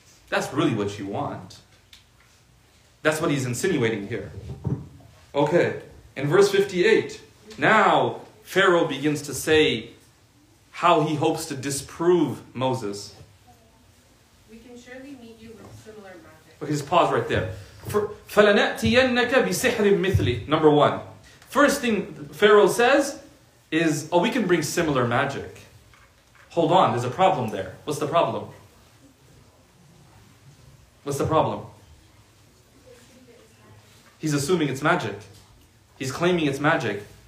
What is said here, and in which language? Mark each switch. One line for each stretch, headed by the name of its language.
English: That's really what you want. That's what he's insinuating here. Okay, in verse 58, now Pharaoh begins to say how he hopes to disprove Moses. We can surely meet you with similar magic. Okay, just pause right there.
Arabic: فَلَنَأْتِيَنَّكَ بِسِحْرٍ مِثْلِ
English: Number one. First thing Pharaoh says is, oh, we can bring similar magic. Hold on, there's a problem there. What's the problem? What's the problem? He's assuming it's magic. He's claiming it's magic.